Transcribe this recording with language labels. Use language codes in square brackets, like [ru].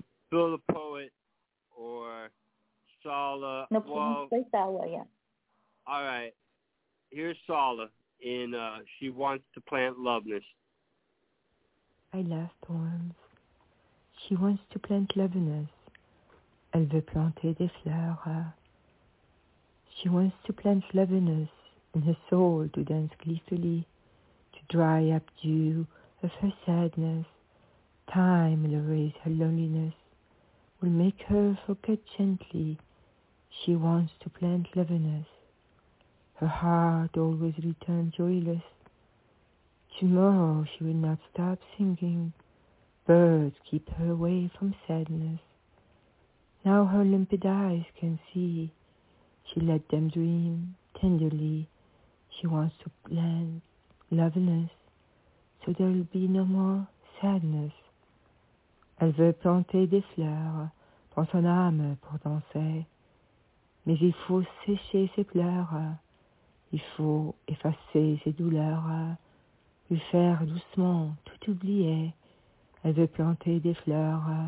[en] Phil the Poet or Sala. No, well, please say Sala, yeah. All right. Here's Sala in She Wants to Plant Loveness. I love poems. She wants to plant loveness. [fr] Elle veut planter des fleurs. [en] She wants to plant loveness in her soul to dance gleefully, to dry up dew of her sadness. Time will erase her loneliness, will make her forget gently. She wants to plant loveliness. Her heart always returns joyless. Tomorrow she will not stop singing. Birds keep her away from sadness. Now her limpid eyes can see. She let them dream tenderly. She wants to plant loveliness, so there will be no more sadness. [fr] Elle veut planter des fleurs dans son âme pour danser. Mais il faut sécher ses pleurs. Il faut effacer ses douleurs. Lui faire doucement tout oublier. Elle veut planter des fleurs.